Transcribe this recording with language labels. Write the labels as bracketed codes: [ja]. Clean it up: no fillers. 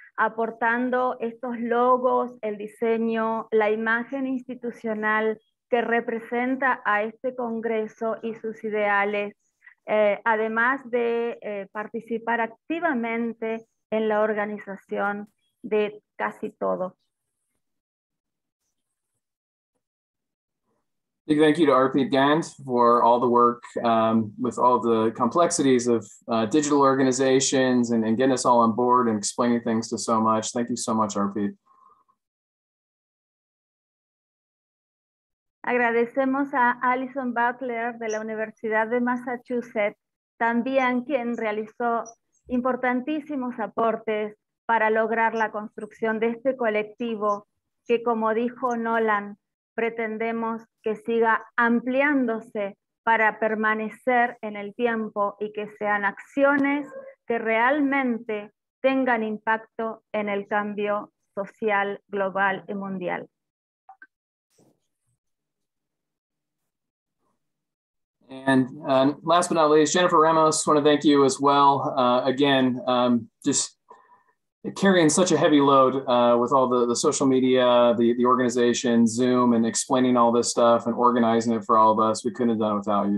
[es] aportando estos logos, el diseño, la imagen institucional que representa a este Congreso y sus ideales, además de participar activamente en la organización de casi todo. [en] Big thank you to Arpit Gant for all the work with all the complexities of digital organizations and getting us all on board and explaining things to so much. Thank you so much, Arpit. [es] Agradecemos a Alison Butler de la Universidad de Massachusetts, también quien realizó importantísimos aportes para lograr la construcción de este colectivo que, como dijo Nolan, pretendemos que siga ampliándose para permanecer en el tiempo y que sean acciones que realmente tengan impacto en el cambio social, global y mundial. [en] And last but not least, Jennifer Ramos, want to thank you as well. Again, just carrying such a heavy load with all the social media, the organization, Zoom, and explaining all this stuff and organizing it for all of us. We couldn't have done it without you.